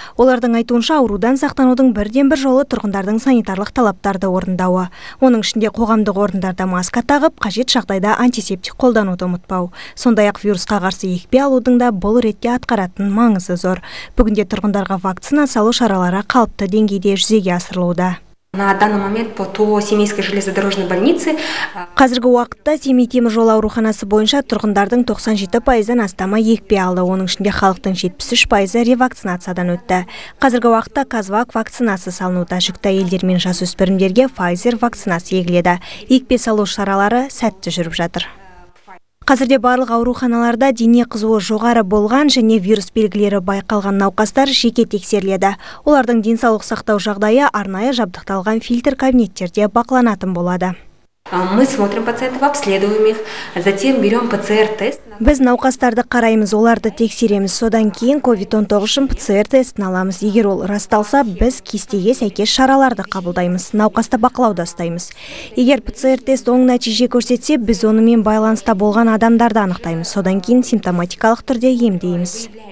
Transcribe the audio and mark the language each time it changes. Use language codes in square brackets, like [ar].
[kk] Олардың айтуынша аурудан сақтанудың бірден бір жолы тұрғындардың санитарлық талаптарды орындауы. Оның ішінде қоғамдық орындарда маска тағып, қажет жағдайда антисептик қолдануды ұмытпау. Сондай-ақ вирусқа қарсы екпе алудың да бұл ретке атқаратын маңызы зор. Бүгінде тұрғындарға вакцина салу шаралары қалыпты деңгейде жүзеге асырылуда. [ru] На данный момент по ТО Семейской железнодорожной больнице. [kk] Қазіргі уақытта Семей темір жол ауруханасы бойынша тұрғындардың 97%-ан астамы екпе алды, оның ішінде халықтың 73%-ы ревакцинациядан өтті. Қазіргі уақытта Казвак вакцинасы салынуда, жүкті әйелдер мен жасөспірімдерге Pfizer вакцинасы егіледі. Екпе салу шаралары сәтті жүріп жатыр. Қазірде барлық ауруханаларда дене қызуы жоғары болған және вирус белгілері байқалған науқастар жеке тексеріледі. Олардың денсаулық сақтау жағдайы арнайы жабдықталған фильтр кабинеттерде бақыланатын болады. [ru] Мы смотрим пациентов, обследуем их, затем берем ПЦР-тест. [kk] Біз науқастарды қараймыз, оларды тексереміз, содан кейін COVID-19-шын ПЦР-тестін аламыз. Егер ол расталса, біз кестеге сәйкес шараларды қабылдаймыз, науқасты бақылауда ұстаймыз. Егер ПЦР-тест оң нәтиже көрсетсе, біз онымен байланыста болған адамдарды анықтаймыз, содан кейін симптоматикалық түрде емдейміз.